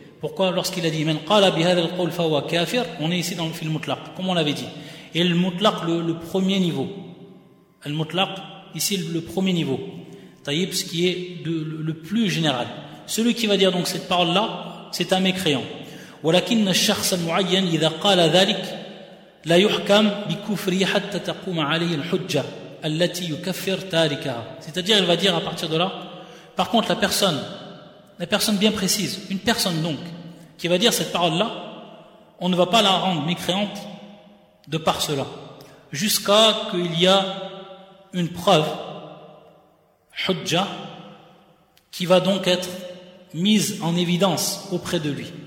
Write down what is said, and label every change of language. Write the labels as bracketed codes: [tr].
[fr] Pourquoi lorsqu'il a dit [ar] man qala bihadha al-qawl fa huwa kafir, [fr] on est ici dans le fil mutlaq, comme on l'avait dit. Et le mutlaq, le premier niveau. Le mutlaq, ici le premier niveau. Taïb, ce qui est le plus général. Celui qui va dire donc cette parole-là, c'est un mécréant. [ar] ولكن الشخص المعين إذا قال ذلك لا يحكم بكفره حتى تقوم عليه الحجة التي يكفر تاركها. [fr] C'est-à-dire, il va dire à partir de là, par contre, la personne bien précise, une personne donc, qui va dire cette parole-là, on ne va pas la rendre mécréante de par cela, jusqu'à qu'il y a une preuve, حجة, qui va donc être mise en évidence auprès de lui.